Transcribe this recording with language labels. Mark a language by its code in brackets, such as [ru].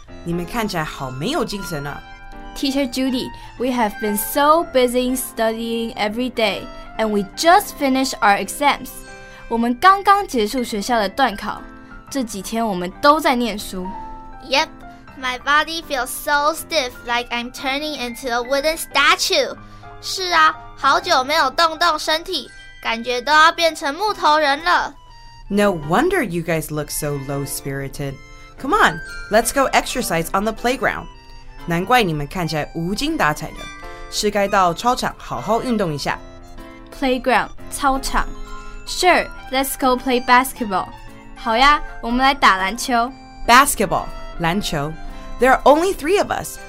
[zh] 你们看起来好没有精神啊。 [en] Teacher Judy, we have been so busy studying every day, and we just finished our exams. [zh] 我们刚刚结束学校的段考，这几天我们都在念书。 [en] Yep, my body feels so stiff like I'm turning into a wooden statue. [zh] 是啊，好久没有动动身体，感觉都要变成木头人了。 [en] No wonder you guys look so low-spirited. Come on, let's go exercise on the playground. [zh] 难怪你们看起来无精打采的，是该到操场好好运动一下。 [en] Playground, 操场。Sure, let's go play basketball. [zh] 好呀，我们来打篮球。 [en] Basketball, 篮球。There are only three of us.